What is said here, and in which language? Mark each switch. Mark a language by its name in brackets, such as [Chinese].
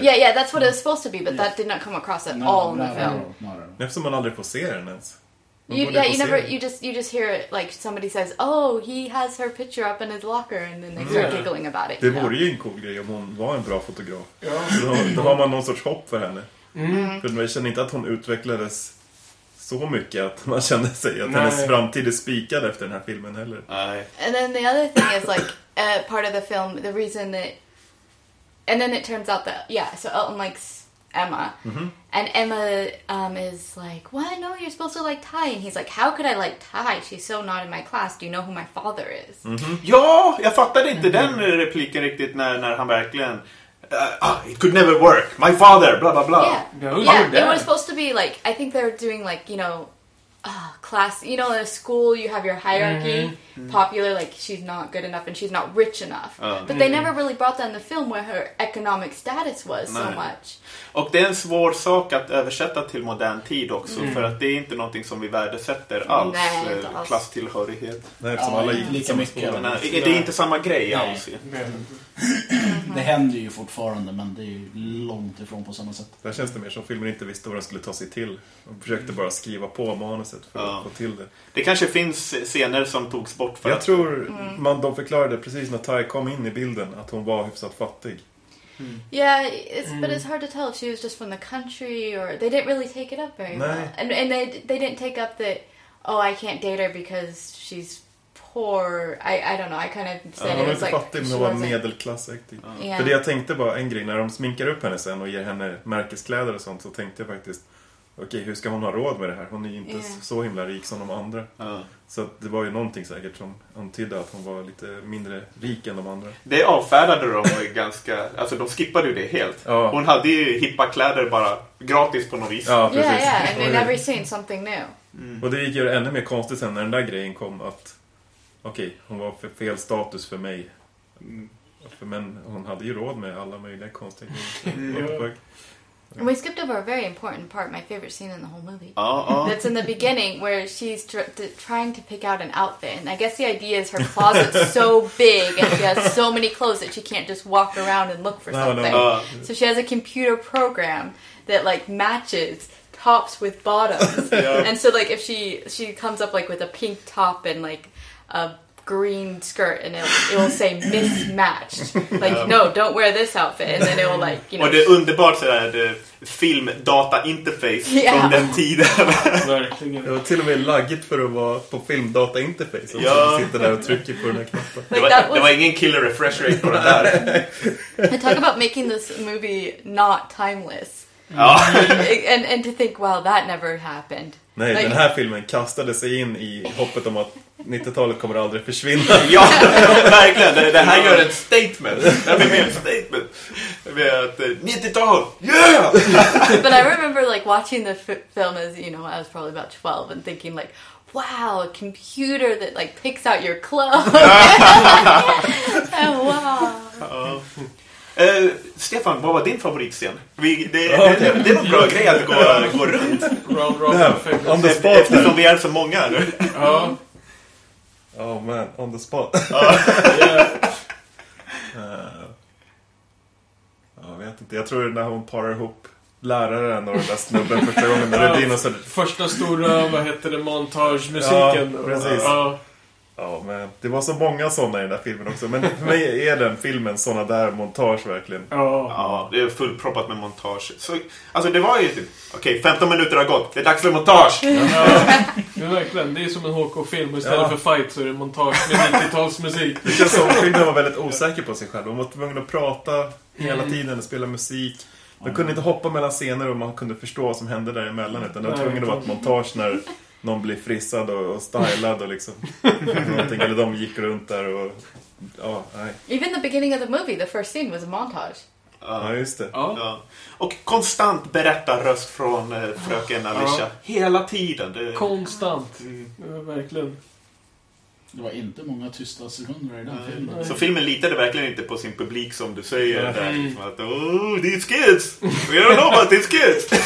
[English] Yeah, that's what it was supposed to be, but that did not come across at all in the film. [Swedish] Nej, som man aldrig får se den ens. [English] You just hear it, like, somebody says, oh, he has her picture up in his locker, and then they start giggling about it. [Swedish] Det vore ju en cool grej om hon var en bra fotograf. Ja. Då har man någon sorts hopp för henne. Mm. För man känner inte att hon utvecklades så mycket att man kände sig att hennes framtid är spikad efter den här filmen heller. Nej. [English] And then the other thing is, like, part of the film, the reason that... And then it turns out that, so Elton likes Emma. Mm-hmm. And Emma is like, what? No, you're supposed to like Ty. And he's like, how could I like Ty? She's so not in my class. Do you know who my father is? Mm-hmm. [Swedish] Ja, jag fattade inte den repliken riktigt när han verkligen... [English] it could never work. My father, blah, blah, blah. Yeah, it was supposed to be like... I think they're doing like, you know, class... You know, in a school, you have your hierarchy. Mm-hmm. Popular, like, she's not good enough and she's not rich enough. But they never really brought that in the film where her economic status was so much. [Swedish] Och det är en svår sak att översätta till modern tid också, för att det är inte någonting som vi värdesätter alls. Klasstillhörighet. Det är inte samma grej alls. Det händer ju fortfarande, men det är ju långt ifrån på samma sätt. Där känns det mer som filmen inte visste vad de skulle ta sig till. De försökte bara skriva på manuset för att få till det. Det kanske finns scener som togs bort för jag att... tror man de förklarade precis när Ty kom in i bilden att hon var hyfsat fattig. Mm. [English] Yeah, but it's hard to tell if she was just from the country or they didn't really take it up very well. And they didn't take up that I can't date her because she's poor. I don't know. I kind of said [Swedish] hon [English] it [Swedish] var [English] was like [Swedish] fattig, hon var medelklassaktig. För det jag tänkte bara en grej när de sminkar upp henne sen och ger henne märkeskläder och sånt så tänkte jag faktiskt okej, hur ska hon ha råd med det här? Hon är ju inte så himla rik som de andra. Så det var ju någonting säkert som antydde att hon var lite mindre rik än de andra. Det avfärdade de ganska... Alltså, de skippade ju det helt. Ja. Hon hade ju hippa kläder bara gratis på något vis. Ja, precis. [English] Yeah, and they never seen something new. Mm. [Swedish] Och det gick ju ännu mer konstigt sen när den där grejen kom att... Okej, hon var för fel status för mig. Men hon hade ju råd med alla möjliga konstiga grejer. [English] And we skipped over a very important part, my favorite scene in the whole movie. Uh-oh. That's in the beginning where she's trying to pick out an outfit. And I guess the idea is her closet's so big and she has so many clothes that she can't just walk around and look for something. So she has a computer program that, like, matches tops with bottoms. Yeah. And so, like, if she comes up, like, with a pink top and, like, a green skirt and it will say mismatched. Like, no, don't wear this outfit. And then it will, like, you know. [Swedish] Och det är underbart sådär, det film data interface från den tiden. Det var till och med laggigt för att vara på film data interface. Och sitter där och trycker på den här knappen. Like, det var ingen [English] killer refresh rate [Swedish] på det där. [English] I talk about making this movie not timeless. and to think, well, that never happened. [Swedish] Nej, like, den här filmen kastade sig in i hoppet om att 90-talet kommer aldrig försvinna. Ja, verkligen. Det här gör ett statement. Det blir mer statement. Det blir att 90-tal. Yeah! [English] But I remember, like, watching the film as, you know, I was probably about 12 and thinking, like, wow, a computer that, like, picks out your clothes. [Swedish] Stefan, vad var din favoritscen? Det var en bra grej att gå runt. [English] Roll, on the spot. [Swedish] Eftersom vi är så många. Ja. [English] Oh man, on the spot. [Swedish] Jag vet inte, jag tror när hon parar ihop läraren och den där snubben första gången när det är din. Första stora, vad heter det, montagemusiken. Ja, precis. Ja, men det var så många sådana i den där filmen också. Men för mig är den filmen sådana där montage verkligen. Ja, det är fullproppat med montage. Så, alltså det var ju typ, okej, 15 minuter har gått. Det är dags för montage. Ja, verkligen, det är som en HK-film. Istället för fight så är det montage med 90-talsmusik. Det känns som filmen var väldigt osäker på sig själv. De var tvungna att prata hela tiden och spela musik. De kunde inte hoppa mellan scener och man kunde förstå vad som hände däremellan. Utan de var tvungna att vara ett montage när någon blir frissad och stylad och liksom någonting, eller de gick runt där och ja, nej. Even the beginning of the movie, the first scene was a montage. Ja, just det. Ja. Och konstant berätta röst från fröken Alicia hela tiden. Det... Konstant. Mm. Verkligen. Det var inte många tysta sekunder i den filmen. Så filmen litade verkligen inte på sin publik som du säger där. Att, [English] oh, these kids! We don't know about these kids!